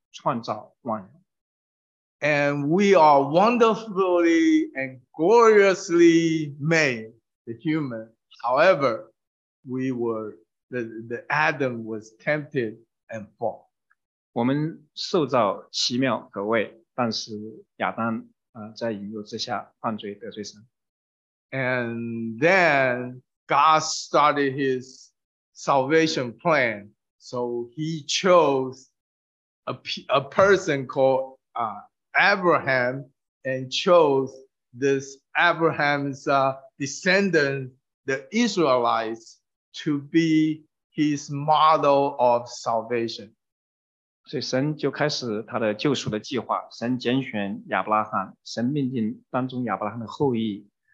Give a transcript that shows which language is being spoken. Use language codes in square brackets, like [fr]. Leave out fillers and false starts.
[zh] 全本圣经的简要的概括就是说，神起初创造万有。And [en] we are wonderfully and gloriously made, the human. However, we were, the Adam was tempted and fall. [zh] 我们受造奇妙可畏，但是亚当在引诱之下犯罪得罪神。And [en] then God started his salvation plan. So he chose a person called Abraham and chose this Abraham's descendant, the Israelites, to be his model of salvation. [zh] 所以神就开始他的救赎的计划，神拣选亚伯拉罕，神命定当中亚伯拉罕的后裔。